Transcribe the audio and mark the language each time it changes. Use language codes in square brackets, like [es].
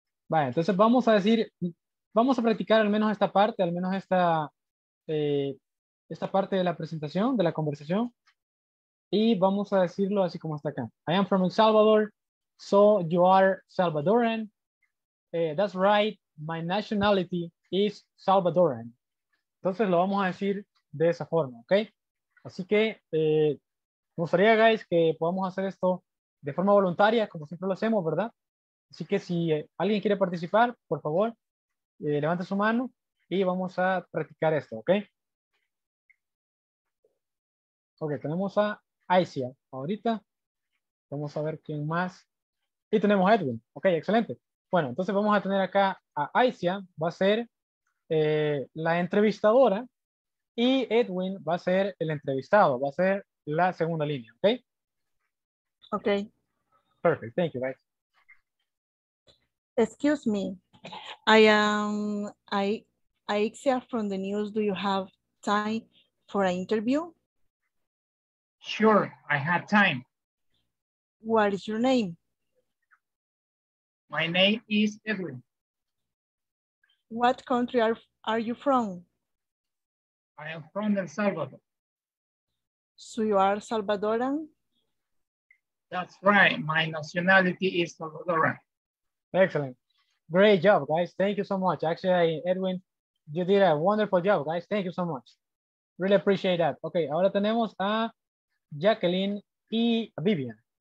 [es] Vale, entonces vamos a decir, vamos a practicar al menos esta parte, al menos esta, esta parte de la presentación, de la conversación. Y vamos a decirlo así como está acá. [en] I am from El Salvador, so you are Salvadoran. That's right, my nationality is Salvadoran. [es] Entonces lo vamos a decir de esa forma, ¿ok? Así que me gustaría, guys, que podamos hacer esto de forma voluntaria, como siempre lo hacemos, ¿verdad? Así que si alguien quiere participar, por favor, levante su mano y vamos a practicar esto, ¿ok? Ok, tenemos a Aisia ahorita. Vamos a ver quién más. Y tenemos a Edwin. Ok, excelente. Bueno, entonces vamos a tener acá a Aisia, va a ser la entrevistadora. Y Edwin va a ser el entrevistado, va a ser la segunda línea, ¿ok? Ok. [en] Perfect, thank you, guys. Excuse me, I am Aisia from the news. Do you have time for an interview? Sure, I have time. What is your name? My name is Edwin. What country are you from? I am from El Salvador. So you are Salvadoran? That's right. My nationality is Salvadoran. Excellent. Great job, guys. Thank you so much. Actually, Edwin, you did a wonderful job, guys. Thank you so much. Really appreciate that. [es] Okay, ahora tenemos a Jacqueline y a Vivian.